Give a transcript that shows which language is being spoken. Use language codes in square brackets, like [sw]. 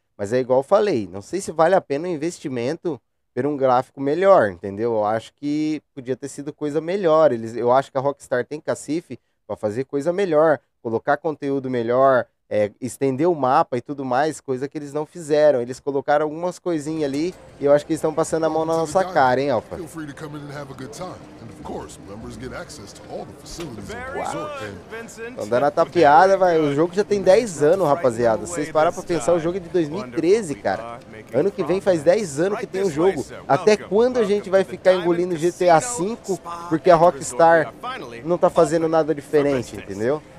[pt] Mas é igual eu falei, não sei se vale a pena o investimento ter um gráfico melhor, entendeu? Eu acho que podia ter sido coisa melhor. Eu acho que a Rockstar tem cacife para fazer coisa melhor, colocar conteúdo melhor, estender o mapa e tudo mais, coisa que eles não fizeram. Eles colocaram algumas coisinhas ali e eu acho que eles estão passando a mão na nossa cara, hein, Alpha? [en] Feel free to come in and have a good time. And of course, members get access to all the facilities and resorts. [pt] Estão dando a tapeada, vai. O jogo já tem 10 anos, rapaziada. Vocês pararam pra pensar, o jogo é de 2013, cara. Ano que vem faz 10 anos que tem o jogo. Até quando a gente vai ficar engolindo GTA V porque a Rockstar não tá fazendo nada diferente, entendeu?